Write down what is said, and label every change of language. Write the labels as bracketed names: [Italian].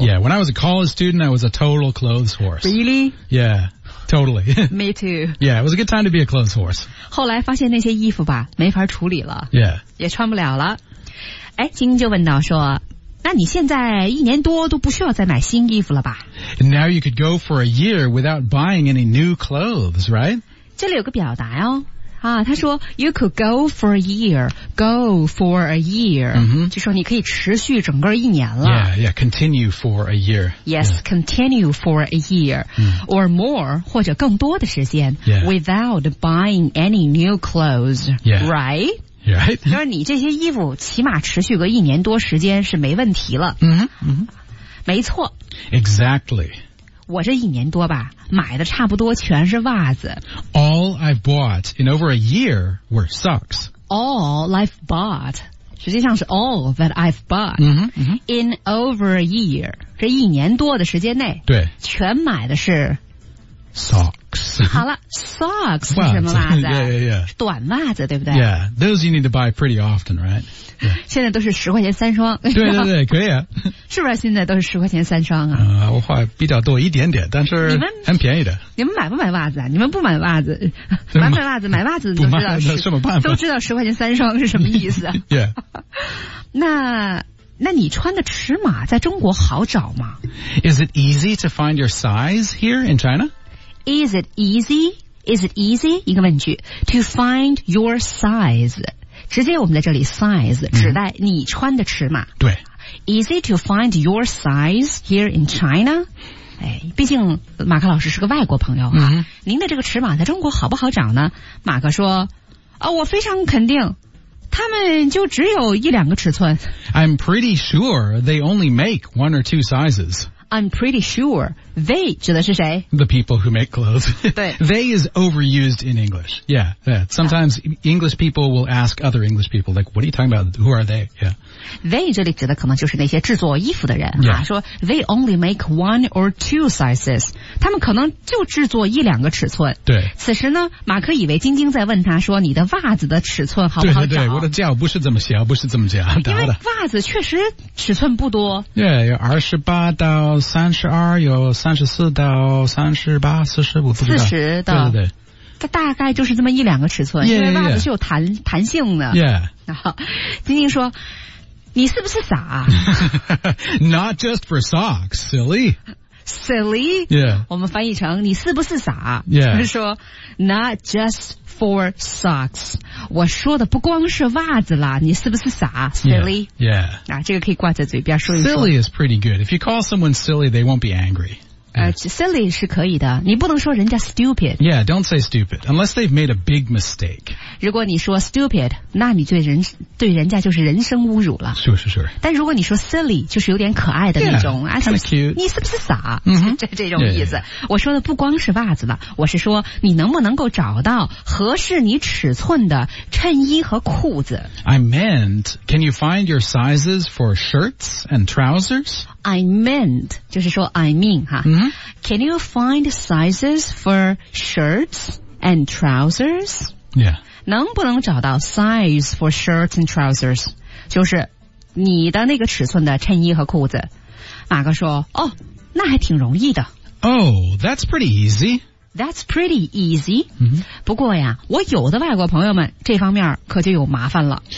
[English] Yeah when I was a college student I was a total clothes horse Really? YeahTotally. Me too. Yeah, it was a good time to be a clothes horse. [Chinese] 后来发现那些衣服吧没法处理了。 [English] Yeah. [Chinese] 也穿不了了。哎，晶晶就问到说，那你现在一年多都不需要再买新衣服了吧？ [English] And now you could go for a year without buying any new clothes, right? [Chinese] 这里有个表达哦，啊，他说 [English] you could go for a year, go for a year,、 mm-hmm. [Chinese] 就说你可以持续整个一年了。 [English] Yeah, yeah, continue for a year. Yes,、yeah. continue for a year,、 mm. or more, [Chinese] 或者更多的时间、 [English] yeah. without buying any new clothes,、 yeah. right? Right. [Chinese] 就是你这些衣服起码持续个一年多时间是没问题了。嗯，没错。 [English] Exactly. [Chinese] 我这一年多吧，买的差不多全是袜子。 [English] All I've bought in over a year were socks. All I've bought. [Chinese] 实际上是 [English] all that I've bought. Mm-hmm. In over a year. [Chinese] 这一年多的时间内。对。全买的是。 [English] Socks. [Chinese] 好了 ，socks 是什么袜子 [English] yeah. [Chinese] 短袜子对不对 [English] ？Yeah, those you need to buy pretty often, right?、Yeah. [Chinese] 现在都是十块钱三双。对对对，可以啊。是不是现在都是十块钱三双啊？我话比较多一点点，但是很便宜的。你们买不买袜子啊？你们不买袜子，买不买袜子？买袜子都知道什么办法？都知道十块钱三双是什么意思、啊。 [English] yeah. [Chinese] 那你穿的尺码在中国好找吗 [English] ？Is it easy to find your size here in China? Is it easy? Is it easy? [Chinese] 一个问句 [English] to find your size. [Chinese] 直接我们在这里 size 指代你穿的尺码。对。 [English] Is it to find your size here in China? [Chinese] 哎，毕竟马克老师是个外国朋友啊。您的这个尺码在中国好不好找呢？马克说：“哦，我非常肯定，他们就只有一两个尺寸。 [English] I'm pretty sure they only make one or two sizes.” I'm pretty sure they [Chinese] 指的是谁 [English] The people who make clothes. [Chinese] 对 [English] They is overused in English. Yeah, yeah. Sometimes English people will ask other English people, like, what are you talking about? Who are they? Yeah. [Chinese] They 这里指的可能就是那些制作衣服的人、 [English] yeah. [Chinese] 啊、说 [English] they only make one or two sizes. [Chinese] 他们可能就制作一两个尺寸。对。此时呢马克以为晶晶在问他说你的袜子的尺寸好不好找。对对对我的脚不是这么小不是这么小。因为袜子确实尺寸不多。 Yeah, 有28到32有34到38 45 40的对对对大概就是这么一两个尺寸 [English] yeah, [Chinese] 因为袜子是有 弹性的 [English] yeah [Chinese] 晶晶说你是不是傻、啊、 [English] Not just for socks, silly Silly、 yeah. [Chinese] 我们翻译成你是不是傻、 [English] yeah. [Chinese] 就是说 [English] Not just for socks [Chinese] 我说的不光是袜子啦你是不是傻 Silly [English] yeah. Yeah.、 [Chinese] 啊、这个可以挂在嘴边说一说 [English] Silly is pretty good If you call someone silly they won't be angry [Chinese] Silly 是可以的你不能说人家 stupid [English] Yeah, don't say stupid Unless they've made a big mistake [Chinese] 如果你说 stupid 那你对人家就是人身侮辱了 [English] Sure, sure, sure [Chinese] 但如果你说 silly 就是有点可爱的那种 [English] Yeah, kind of cute [Chinese] 你是不是傻、 mm-hmm. 这种意思 [English] yeah, yeah. [Chinese] 我说的不光是袜子了我是说你能不能够找到合适你尺寸的衬衣和裤子 [English] I meant Can you find your sizes for shirts and trousers? I meant [Chinese] 就是说 [English] I mean 哈、 mm-hmm. Can you find sizes for shirts and trousers? Yeah. [Chinese] 能不能找到 [English] size for shirts and trousers? [Chinese] 就是你的那个尺寸的衬衣和裤子。马哥说，哦，那还挺容易的。 [English] Oh, that's pretty easy. That's pretty easy.、 Mm-hmm. [Chinese] 不过呀，我有的外国朋友们这方面可就有麻烦了。